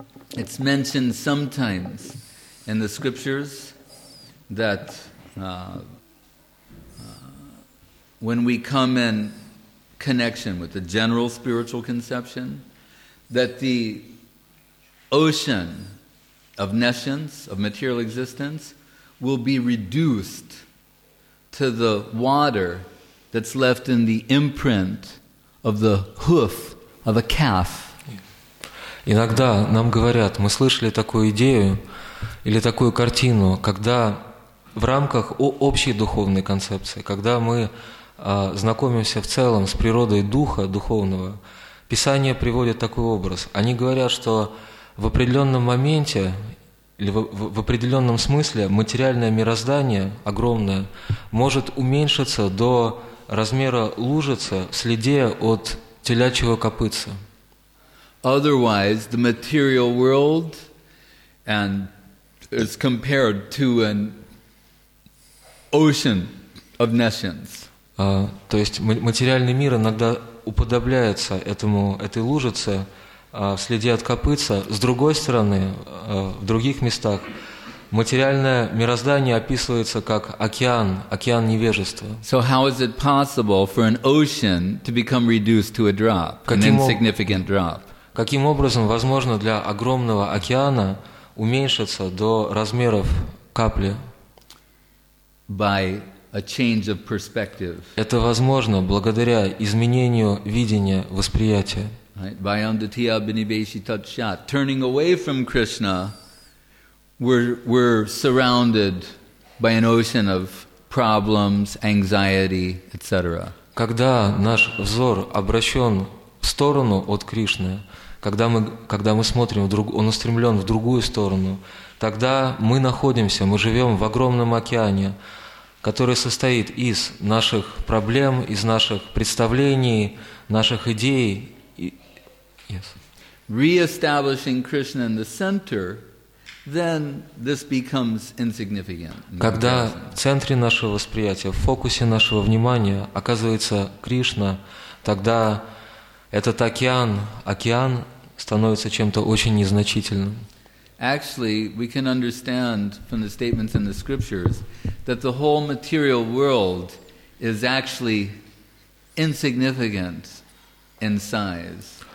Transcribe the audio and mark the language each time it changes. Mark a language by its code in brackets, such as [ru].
[en] It's mentioned sometimes in the scriptures that when we come in connection with the general spiritual conception, that the ocean of nescience, of material existence, will be reduced to the water that's left in the imprint of the hoof of a calf. [ru] Иногда нам говорят, мы слышали такую идею или такую картину, когда в рамках общей духовной концепции, когда мы знакомимся в целом с природой духа духовного, Писание приводит такой образ. Они говорят, что в определенном моменте или в определенном смысле материальное мироздание огромное может уменьшиться до размера лужицы в следе от телячьего копытца. [en] Otherwise, the material world and is compared to an ocean of nescience. [ru] То есть материальный мир иногда уподобляется этой лужице в следе от копытца. С другой стороны, в других местах материальное мироздание описывается как океан невежества. [en] So how is it possible for an ocean to become reduced to a drop, an insignificant drop? [ru] Каким образом возможно для огромного океана уменьшиться до размеров капли? [en] By a change of perspective. [ru] Это возможно благодаря изменению видения, восприятия. [en] By Anditya Abhinibeshi Tatshat, turning away from Krishna, we're surrounded by an ocean of problems, anxiety, etc. [ru] Когда наш взор обращен в сторону от Кришны, когда мы смотрим, он устремлен в другую сторону, тогда мы живем в огромном океане, который состоит из наших проблем, из наших представлений, наших идей. [en] Yes. Re-establishing Krishna in the center, then this becomes insignificant. [ru] Когда в центре нашего восприятия, в фокусе нашего внимания оказывается Кришна, тогда этот океан становится чем-то очень незначительным. [en] Actually, we can understand from the statements in the scriptures that the whole material world is actually insignificant in size.